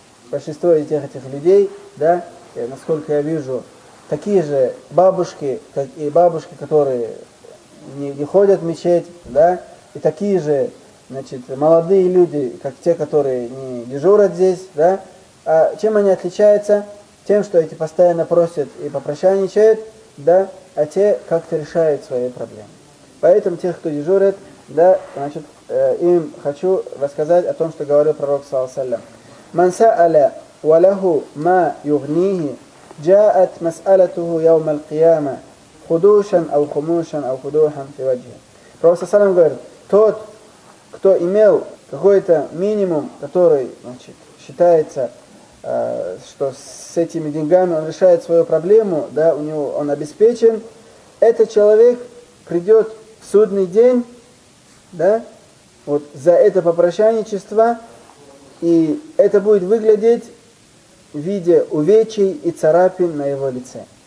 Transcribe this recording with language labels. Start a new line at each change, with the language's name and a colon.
Russian: Большинство из этих людей, да, насколько я вижу, такие же бабушки, как и бабушки, которые не ходят в мечеть, да, и такие же, значит, молодые люди, как те, которые не дежурят здесь, да. А чем они отличаются? Тем, что эти постоянно просят и попрощайничают, да, а те как-то решают свои проблемы. Поэтому тех, кто дежурит, да, значит, им хочу рассказать о том, что говорил пророк, салям.
Arabic: «Ман са'аля валяху ма югнихи, جاءت مسألته يوم القيامة خدوشا أو خموشا أو خدوحا في وجهه».
Russian: Пророк саллям говорит: тот, кто имел какой-то минимум, который, значит, считается, что с этими деньгами он решает свою проблему, да, у него он обеспечен, этот человек придет в судный день, да, вот за это попрощайничество, и это будет выглядеть в виде увечий и царапин на его лице.